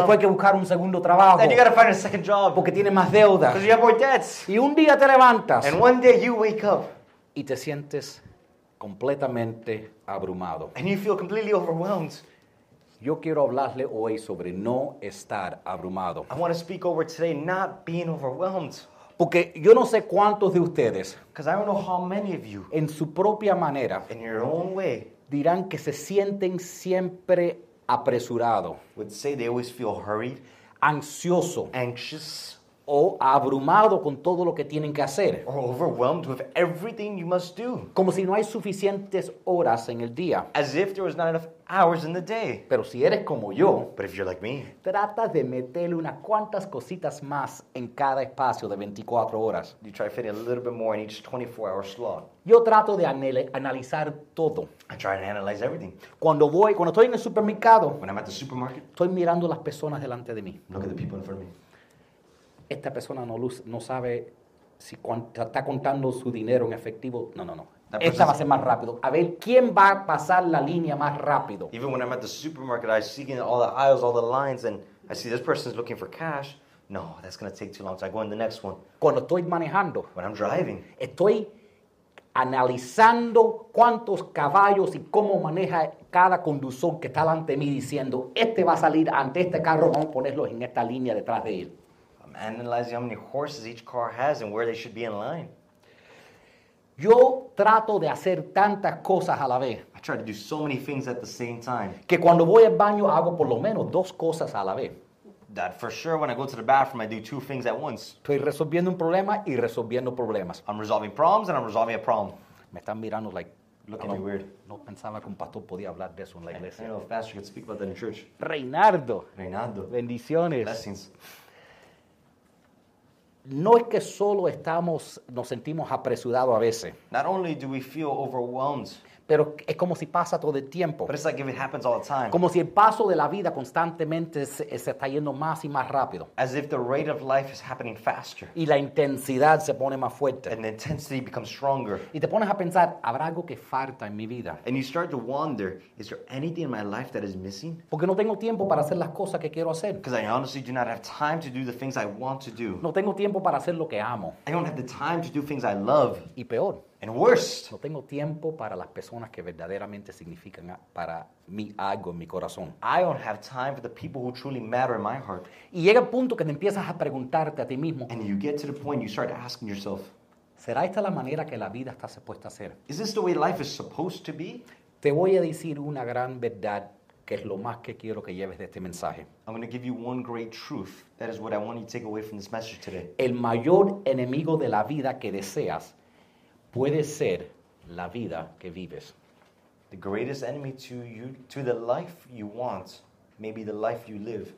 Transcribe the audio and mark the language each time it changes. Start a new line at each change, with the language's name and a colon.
Spanish: Después hay que buscar un segundo trabajo.
English: Then you gotta find a second job.
Spanish: Porque tienes más deudas.
English: Because you have more debts.
Spanish: Y un día te levantas.
English: And one day you wake up.
Spanish: Y te sientes completamente abrumado.
English: And you feel completely overwhelmed.
Spanish: Yo quiero hablarle hoy sobre no estar abrumado.
English: I want to speak over today not being overwhelmed.
Spanish: Porque yo no sé cuántos de ustedes,
English: because I don't know how many of you,
Spanish: en su propia manera,
English: in your own way,
Spanish: dirán que se sienten siempre apresurado,
English: would say they always feel hurried,
Spanish: ansioso,
English: anxious,
Spanish: o abrumado con todo lo que tienen que hacer,
English: or overwhelmed with everything you must do,
Spanish: como si no hay suficientes horas en el día,
English: as if there was not enough hours in the day.
Spanish: Pero si eres como yo,
English: but if you're like me,
Spanish: trata de meterle unas cuantas cositas más en cada espacio de 24 horas.
English: You try to fit a little bit more in each 24-hour slot.
Spanish: Yo trato de analizar todo.
English: I try to analyze everything.
Spanish: Cuando estoy en el supermercado,
English: when I'm at the supermarket,
Spanish: estoy mirando las personas delante de mí.
English: Look at the people in front of me.
Spanish: Esta persona no sabe si está contando su dinero en efectivo. No. Esta va a ser más rápido. A ver, ¿quién va a pasar la línea más rápido?
English: Even when I'm at the supermarket, I see all the aisles, all the lines, and I see this person's looking for cash. No, that's going to take too long, so I go in the next one.
Spanish: Cuando estoy manejando.
English: When I'm driving.
Spanish: Estoy analizando cuántos caballos y cómo maneja cada conductor que está delante de mí diciendo, este va a salir ante este carro, vamos a ponerlo en esta línea detrás de él.
English: I'm analyzing how many horses each car has and where they should be in line.
Spanish: Yo trato de hacer tantas cosas a la vez.
English: I try to do so many things at the same time.
Spanish: Que cuando voy al baño hago por lo menos dos cosas a la vez.
English: That for sure when I go to the bathroom I do two things at once.
Spanish: Estoy resolviendo un problema y resolviendo problemas.
English: I'm resolving problems and I'm resolving a problem.
Spanish: Me están mirando like.
English: Looking at me weird.
Spanish: No pensaba que un pastor podía hablar de eso en la iglesia.
English: I don't know if pastor could speak about that in church.
Spanish: Reinaldo. Bendiciones.
English: Blessings.
Spanish: No es que solo nos sentimos apresurados a veces.
English: Not only do we feel overwhelmed.
Spanish: Pero es como si pasa todo el tiempo.
English: But it's like if it happens all the time.
Spanish: Como si el paso de la vida constantemente se está yendo más y más rápido.
English: As if the rate of life is happening faster.
Spanish: Y la intensidad se pone más fuerte.
English: And the intensity becomes stronger.
Spanish: Y te pones a pensar, ¿habrá algo que falta en mi vida?
English: And you start to wonder, is there anything in my life that is missing?
Spanish: Porque no tengo tiempo para hacer las cosas que quiero hacer.
English: Because I honestly do not have time to do the things I want to do.
Spanish: No tengo tiempo para hacer lo que amo.
English: I don't have the time to do things I love.
Spanish: Y peor.
English: And worse,
Spanish: no tengo tiempo para las personas que verdaderamente significan para mí algo en mi corazón.
English: I don't have time for the people who truly matter in my heart.
Spanish: Y llega el punto que te empiezas a preguntarte a ti mismo.
English: And you get to the point you start asking yourself,
Spanish: ¿será esta la manera que la vida está supuesta a ser?
English: Is this the way life is supposed to be?
Spanish: Te voy a decir una gran verdad que es lo más que quiero que lleves de este mensaje.
English: I'm going to give you one great truth. That is what I want you to take away from this message today.
Spanish: El mayor enemigo de la vida que deseas puede ser la vida que vives.
English: The greatest enemy to you, to the life you want, maybe the life you live.